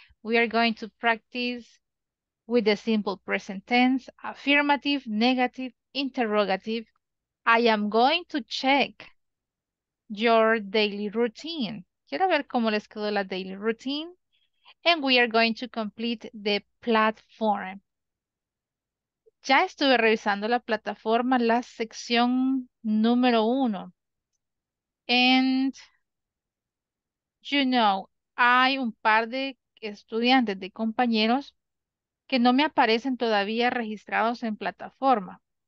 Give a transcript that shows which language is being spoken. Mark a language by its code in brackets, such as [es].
[en] We are going to practice with the simple present tense, affirmative, negative, interrogative. I am going to check your daily routine. [es] Quiero ver cómo les quedó la daily routine. [en] And we are going to complete the platform. [es] Ya estuve revisando la plataforma, la sección número 1. [en] And you know, [es] hay un par de estudiantes, de compañeros, que no me aparecen todavía registrados en plataforma.